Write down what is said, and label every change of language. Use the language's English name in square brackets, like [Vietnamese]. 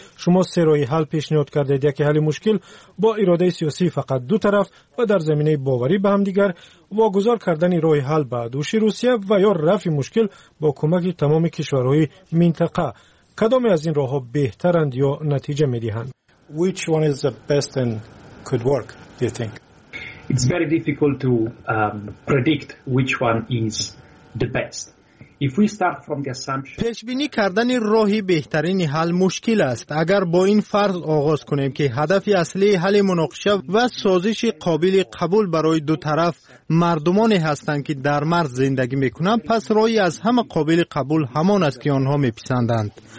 [Persian] شما سه راه حل پیشنهاد کردید، یکی حل مشکل با اراده سیاسی فقط دو طرف و در زمینه باوری به همدیگر، واگذار کردن راه حل به دوش روسیه و یا رفع مشکل با کمک تمام کشورهای منطقه. کدام از این راه ها بهترند یا نتیجه می دهند؟ [English] Which one is the best and could work? do you think? It's very difficult to predict which one is the best. If we start from the assumption, [Persian] پیش‌بینی کردن راهی بهترین حل مشکل است. اگر با این فرض آغاز کنیم که هدف اصلی حل مناقشه و سازش قابل قبول برای دو طرف مردمانی هستند که در مرز زندگی میکنند، پس راهی از همه قابل قبول همان است که آنها میپسندند.